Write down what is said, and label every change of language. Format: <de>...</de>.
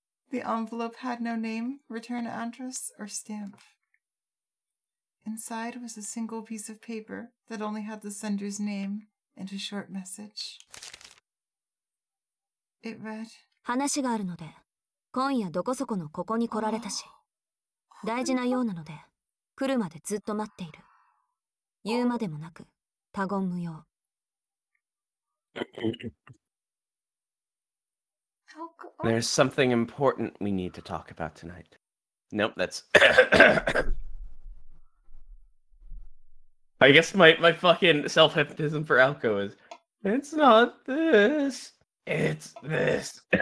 <en>The envelope had no name, return address, or stamp. Inside was a single piece of paper that only had the sender's name and a short message. It read,</en> <ja>話があるので、今夜どこそこのここに来られたし、大事な用なので、来るまでずっと待っている。言うまでもなく、他言無用。</ja> <en>There's something important we need to talk about tonight. Nope, that's... I guess my fucking self-hypnotism for Alco is, it's not this, it's this.</en>